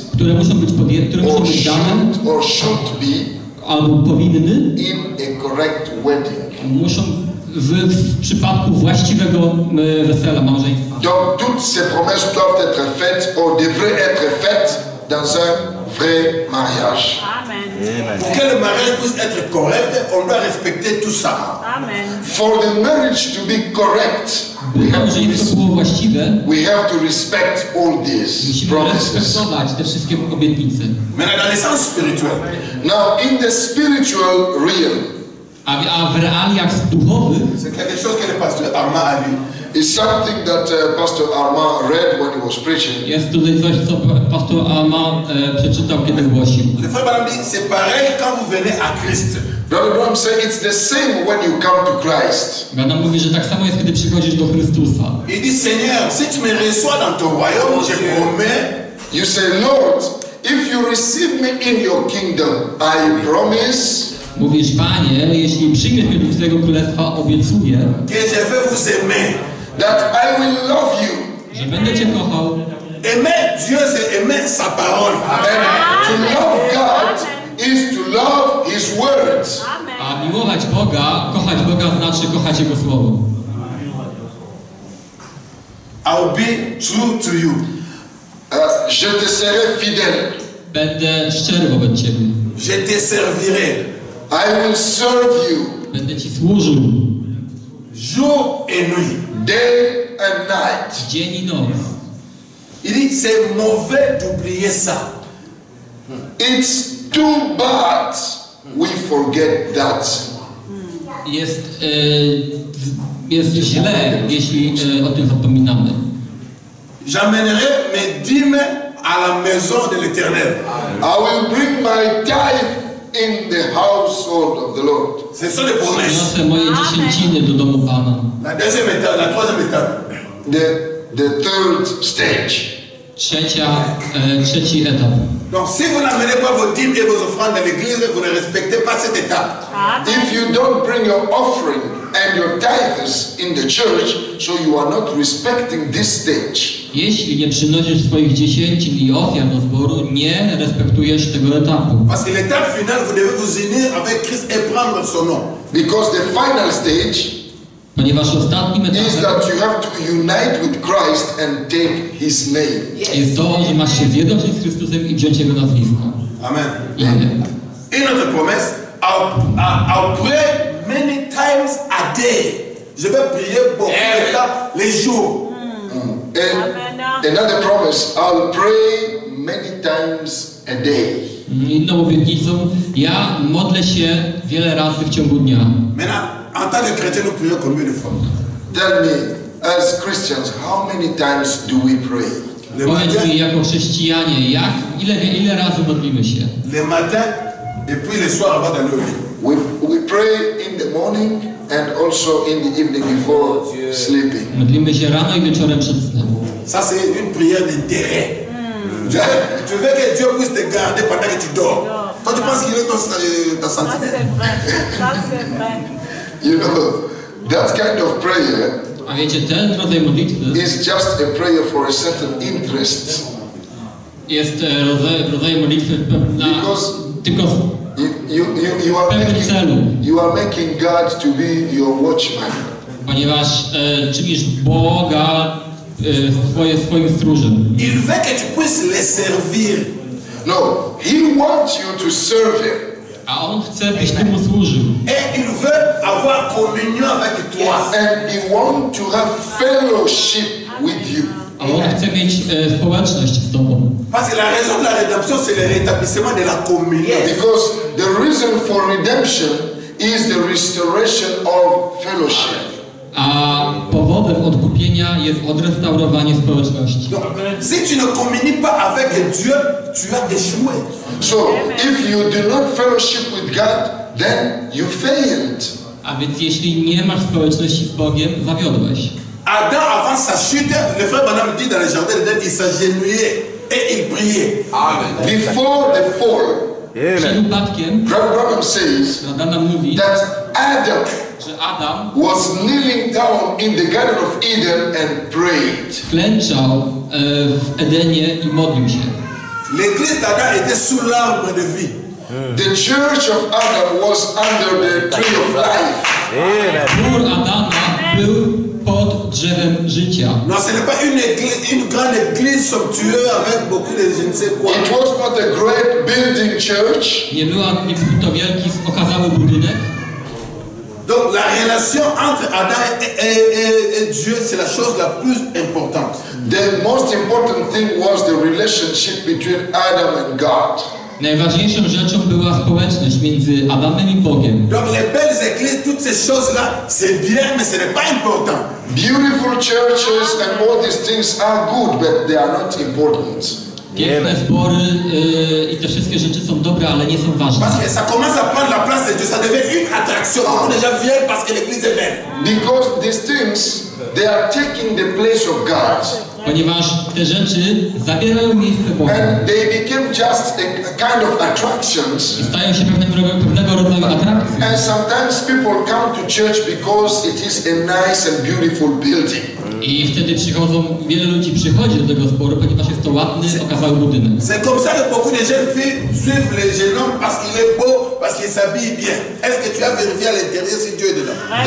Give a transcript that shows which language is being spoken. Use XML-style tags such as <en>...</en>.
<pl>które muszą być podjęte,</pl> <en>or should, or should be,</en> <pl>albo powinny,</pl> <en>in a correct wedding.</en> <pl>Muszą w przypadku właściwego wesela małżeństwa.</pl> <fr>Donc toutes ces promesses doivent être faites ou devraient être faites dans un vrai mariage. Amen. Pour que le mariage puisse être correct, on doit respecter tout ça. Amen.</fr> <en>For the marriage to be correct, we have to, we have to respect all these promises.</en> <fr>Maintenant, dans le sens spirituel.</fr> <en>Now in the spiritual realm.</en> <pl>A w realiach duchowych.</pl> <fr>C'est quelque chose que le pasteur Armand a dit.</fr> <en>Is something that Pastor Armand read when he was preaching.</en> <pl>Jest to coś, co Pastor Armand przeczytał, kiedy głosił.</pl> <fr>Le frère Branham dit, c'est pareil quand vous venez à Christ.</fr> <en>Brother Branham said, it's the same when you come to Christ.</en> <pl>Branham mówi, że tak samo jest, kiedy przychodzisz do Chrystusa.</pl> <fr>Il dit, Seigneur, si tu me reçois dans ton royaume, je promets.</fr> <en>You say, Lord, if you receive me in your kingdom, I promise.</en> <pl>Mówisz, Panie, jeśli przyjmiesz mnie do swojego królestwa, obiecuję,</pl> <en>that I will love you.</en> <pl>Że będę cię kochał.</pl> <fr>Aimer Dieu, c'est aimer sa parole.</fr> <en>Amen. To love God is to love His word.</en> <pl>A miłować Boga, kochać Boga znaczy kochać Jego słowo.</pl> <en>I will be true to you.</en> <fr>Je te serai fidèle.</fr> <pl>Będę szczery wobec ciebie.</pl> <fr>Je te servirai.</fr> <en>I will serve you.</en> <pl>Będę ci służył.</pl> <fr>Jour et nuit.</fr> <en>Day and night.</en> <pl>Dzień i noc.</pl> <fr>Il dit, c'est mauvais d'oublier ça.</fr> <en>It's too bad we forget that.</en> <pl>Jest, jest źle, jeśli o tym zapominamy.</pl> <fr>J'amènerai mes dîmes à la maison de l'Éternel.</fr> <en>I will bring my tithe in the household of the Lord.</en> <fr>Ce sont les promesses.</fr> <pl>Przyniosę moje dziesięciny do domu Pana.</pl> <fr>La deuxième étape, la troisième étape.</fr> <en>The third stage.</en> <pl>Trzeci etap.</pl> <fr>Donc si vous n'amenez pas vos dîmes et vos offrandes à l'église, vous ne respectez pas cette étape.</fr> <en>If you don't bring your offering and your tithes in the church, so you are not respecting this stage.</en> <pl>Jeśli nie przynosisz swoich dziesięcin i ofiar do zboru, nie respektujesz tego etapu.</pl> <fr>Parce que l'étape finale, vous devez vous unir avec Christ et prendre son nom.</fr> <en>Because the final stage,</en> <pl>ponieważ ostatnim etapem,</pl> <en>is that you have to unite with Christ and take His name. Yes.</en> <pl>Jest to, że masz się zjednoczyć z Chrystusem i wziąć Jego nazwisko. Amen. Amen.</pl> <en>In other promise, I'll pray many times a day.</en> <fr>Je vais prier beaucoup de temps, les jours.</fr> <en>And another promise, I'll pray many times a day.</en> <pl>Inną obietnicą, ja modlę się wiele razy w ciągu dnia.</pl> <fr>En tant que chrétien, nous prions combien de fois?</fr> <en>Tell me, as Christians, how many times do we pray?</en> <fr>Le matin,</fr> <pl>mi, jako chrześcijanie, jak, ile razy modlimy się?</pl> <fr>Le matin, et puis le soir avant d'aller au lit.</fr> <en>We pray in the morning and also in the evening before sleeping.</en> <pl>Modlimy się rano i wieczorem przed snem.</pl> <fr>Ça, c'est une prière d'intérêt. Tu veux que Dieu puisse te garder pendant que tu dors. Non. Quand tu penses qu'il est ton sentiment. Ça, c'est vrai.</fr> <en>You know, that kind of prayer,</en> <pl>a wiecie, ten rodzaj modlitwy,</pl> <en>is just a prayer for a certain interest.</en> <pl>Jest rodzaj modlitwy na,</pl> <en>because</en> <pl>tylko w,</pl> <en>you are</en> <pl>pewnym</pl> <en>making,</en> <pl>celu.</pl> <en>You are making God to be your watchman.</en> <pl>Ponieważ czynisz Boga swoim stróżem.</pl> <fr>Il veut que tu puisses le servir.</fr> <en>No, He wants you to serve Him.</en> <pl>A on chce, byś ty mu służył.</pl> <fr>Et il veut avoir communion avec toi.</fr> <en>And he want to have fellowship with you.</en> <pl>A on chce mieć społeczność z tobą.</pl> <fr>Parce que la raison de la rédemption, c'est le rétablissement de la communion.</fr> <en>Yes. Because the reason for redemption is the restoration of fellowship.</en> <pl>A powodem odkupienia jest odrestaurowanie społeczności.</pl> <fr>Si tu ne communies pas avec Dieu, tu as échoué.</fr> <en>So, if you do not fellowship with God, then you failed.</en> <pl>A więc jeśli nie masz społeczności z Bogiem, zawiodłeś.</pl> <fr>Adam, avant sa chute, le frère Adam dit dans le jardin d'Eden, il s'agenouillait et il priait.</fr> <en>Amen. Before the fall,</en> <pl>przed upadkiem,</pl> <en>Abraham says,</en> <pl>Adam mówi,</pl> <en>that Adam,</en> <pl>że Adam</pl> <en>was kneeling down in the Garden of Eden and prayed.</en> <pl>Klęczał w Edenie i modlił się.</pl> <fr>L'église d'Adam était sous l'arbre de vie.</fr> <en>The church of Adam was under the tree of life.</en> <pl>Chór Adama był pod drzewem życia.</pl> <fr>Non, ce n'est pas une grande église somptueuse avec beaucoup de je ne sais quoi.</fr> <en>It was not a great building church.</en> <pl>Nie był to wielki, okazały budynek.</pl> <fr>Donc la relation entre Adam et Dieu, c'est la chose la plus importante.</fr> <en>The most important thing was the relationship between Adam and God.</en> <pl>Najważniejszą rzeczą była społeczność między Adamem i Bogiem.</pl> <fr>Donc les belles églises, toutes ces choses-là, c'est bien, mais ce n'est pas important.</fr> <en>Beautiful churches and all these things are good, but they are not important.</en> <pl>Piękne zbory i te wszystkie rzeczy są dobre, ale nie są ważne.</pl> <fr>Parce que ça commence à prendre la place de Dieu, ça devient une attraction. On déjà vient parce que l'église est belle.</fr> <en>Because these things, they are taking the place of God.</en> <pl>Ponieważ te rzeczy zabierają miejsce Boga.</pl> <en>And they became just a kind of attractions.</en> <pl>I stają się pewnego rodzaju atrakcją.</pl> <en>And sometimes people come to church because it is a nice and beautiful building.</en> <pl>I wtedy przychodzą, wiele ludzi przychodzi do tego zboru, ponieważ jest to ładny, okazały budynek.</pl> <fr>C'est comme ça que beaucoup de jeunes filles suivent les jeunes hommes parce qu'il est beau, parce qu'il s'habille bien. Est-ce que tu as vérifié à l'intérieur si Dieu est dedans?</fr>